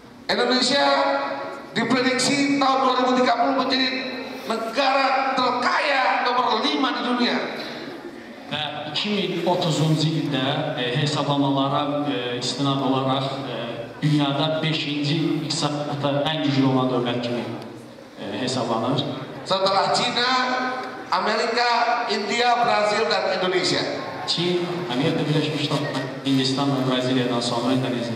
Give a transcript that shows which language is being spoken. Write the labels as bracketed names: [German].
[Indonesian] Indonesia diprediksi tahun 2030 menjadi negara terkaya nomor 5 di dunia. [Azerbaijani] 2030-cu ildə hesablamalara istinad olaraq dünyada 5-ci iqtisadiyyatda ən güclü olan dövlət kimi hesablanır. [Indonesian] Setelah Cina, Amerika, India, Brazil, dan Indonesia. [Turkish] Çin, Amerika Birleşmiş Devletleri, Hindistan ve Brezilya'dan sonra Indonesia.